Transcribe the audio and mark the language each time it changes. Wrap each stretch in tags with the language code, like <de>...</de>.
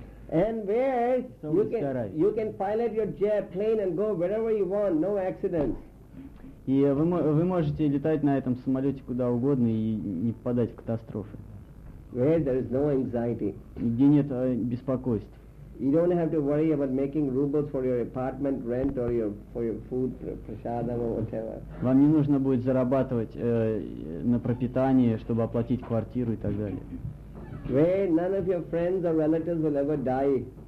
<en>And where you can pilot your jet plane and go wherever you want, no accidents.</en> <ru>И вы можете летать на этом самолете куда угодно и не попадать в катастрофы.</ru> <en>Where there is no anxiety.</en> <ru>Где нет беспокойств.</ru> <en>You don't have to worry about making rubles for your apartment rent or for your food, prasadam or whatever.</en> <ru>Вам не нужно будет зарабатывать на пропитание, чтобы оплатить квартиру и так далее.</ru> <en>Where none of your friends or relatives will ever die.</en>